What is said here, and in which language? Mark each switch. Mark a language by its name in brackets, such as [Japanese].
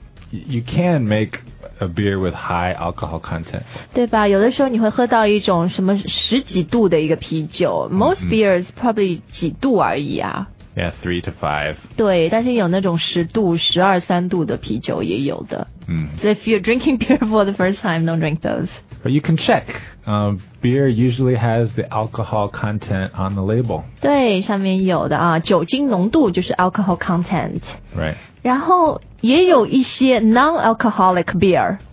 [English] You can make a beer with high alcohol content. [Chinese] 对吧？有的时候你会喝到一种什么十几度的一个啤酒。 [English] Mm-hmm. Most beers probably [Chinese] 几度而已啊。 [English] Yeah, 3 to 5. [Chinese] 对，但是有那种十度、十二三度的啤酒也有的。 Mm. [English] So if you're drinking beer for the first time, don't drink those. But you can check. Beer usually has the alcohol content on the label. [Chinese] 对，上面有的啊，酒精浓度就是 alcohol content. [English] Right. [Chinese] 然后也有一些 non-alcoholic beer.